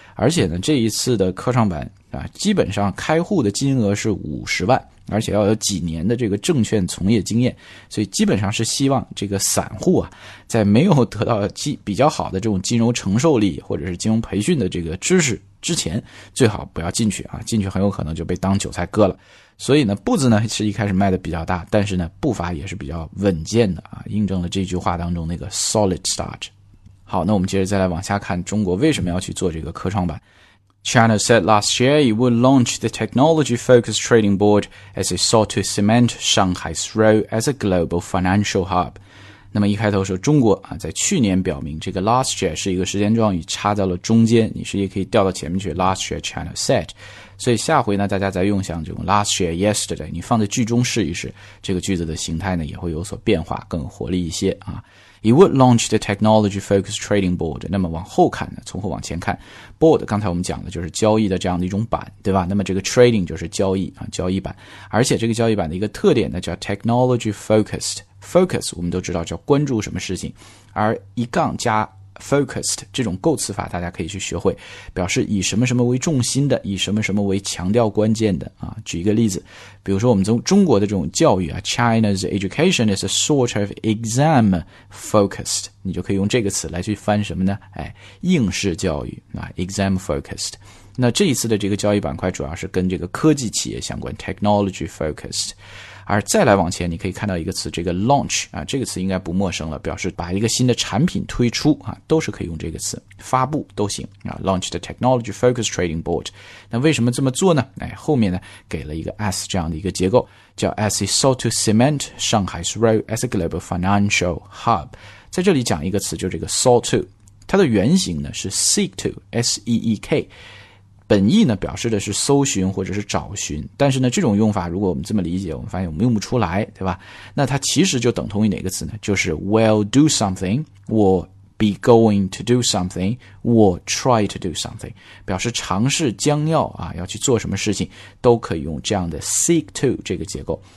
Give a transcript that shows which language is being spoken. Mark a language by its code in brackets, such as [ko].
[zh] 而且呢这一次的科创板啊基本上开户的金额是50万，而且要有几年的这个证券从业经验，所以基本上是希望这个散户啊在没有得到比较好的这种金融承受力或者是金融培训的这个知识之前最好不要进去啊，进去很有可能就被当韭菜割了。所以呢步子呢是一开始迈的比较大，但是呢步伐也是比较稳健的啊，印证了这句话当中那个 solid start。好，那我们接着再来往下看中国为什么要去做这个科创板。 [en] China said last year it would launch the technology-focused trading board as it sought to cement Shanghai's role as a global financial hub. [zh] 那么一开头说中国啊，在去年表明这个 last year 是一个时间状语插到了中间，你是也可以调到前面去 [en] last year China said。 [zh] 所以下回呢大家再用像这种 last year yesterday 你放在句中试一试，这个句子的形态呢也会有所变化，更活力一些啊。 [en] It would launch the technology-focused trading board. [zh] 那么往后看呢，从后往前看 ，board 刚才我们讲的就是交易的这样的一种板，对吧？那么这个 trading 就是交易啊，交易板。而且这个交易板的一个特点呢，叫 technology-focused。 focus 我们都知道叫关注什么事情，而一杠加 focused 这种构词法大家可以去学会，表示以什么什么为重心的，以什么什么为强调关键的啊。举一个例子，比如说我们从中国的这种教育啊 [en] China's education is a sort of exam focused， [zh] 你就可以用这个词来去翻什么呢，哎，应试教育啊 exam focused。那这一次的这个交易板块主要是跟这个科技企业相关 technology focused。而再来往前你可以看到一个词，这个 launch、啊、这个词应该不陌生了，表示把一个新的产品推出、啊、都是可以用这个词，发布都行、啊、 [en] launch the technology focused trading board。 [zh] 那为什么这么做呢、哎、后面呢给了一个 S 这样的一个结构，叫 [en] as it sought to cement Shanghai's role as a global financial hub。 [zh] 在这里讲一个词，就这个 sought to， 它的原型呢是 seek to， S-E-E-K，本意呢表示的是搜寻或者是找寻，但是呢这种用法如果我们这么理解，我们发现我们用不出来，对吧？那它其实就等同于哪个词呢，就是 [en] will do something， will be going to do something， [zh] will try to do something， 表示尝试将要啊要去做什么事情，都可以用这样的 seek to 这个结构。